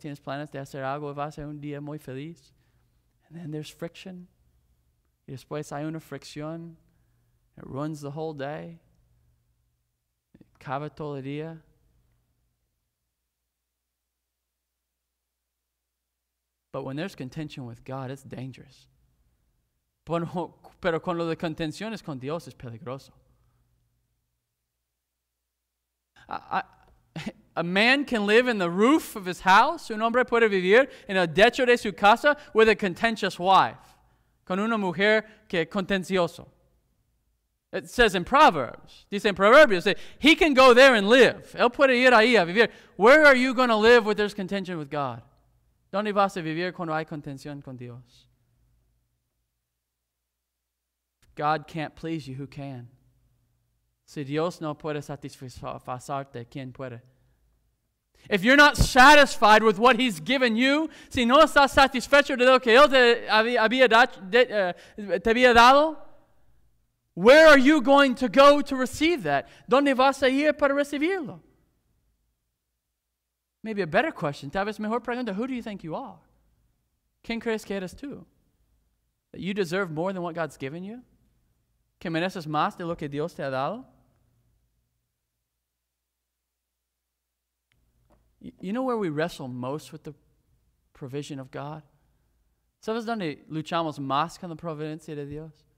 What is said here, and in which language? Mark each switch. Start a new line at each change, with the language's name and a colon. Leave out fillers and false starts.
Spanish: Tienes planes de hacer algo. Va a ser un día muy feliz.
English: And then there's friction.
Spanish: Y después hay una fricción.
English: It ruins the whole day.
Spanish: Cava todo el día.
English: But when there's contention with God, it's dangerous.
Spanish: Pero cuando la contención es con Dios, es peligroso.
English: A man can live in the roof of his house,
Spanish: un hombre puede vivir en el techo de su casa
English: with a contentious wife,
Spanish: con una mujer que es contencioso.
English: It says in Proverbs,
Spanish: dice en Proverbios,
English: he can go there and live.
Spanish: Él puede ir ahí a vivir.
English: Where are you going to live where there's contention with God?
Spanish: ¿Dónde vas a vivir cuando hay contención con Dios?
English: If God can't please you, who can?
Spanish: Si Dios no puede satisfacerte, ¿quién puede?
English: If you're not satisfied with what he's given you,
Spanish: si no estás satisfecho de lo que él te había dado,
English: where are you going to go to receive that?
Spanish: ¿Dónde vas a ir para recibirlo?
English: Maybe a better question,
Spanish: tal vez mejor pregunta,
English: who do you think you are?
Spanish: ¿Quién crees que eres tú?
English: That you deserve more than what God's given you?
Spanish: ¿Que mereces más de lo que Dios te ha dado?
English: You know where we wrestle most with the provision of God?
Spanish: ¿Sabes dónde luchamos más con la providencia de Dios?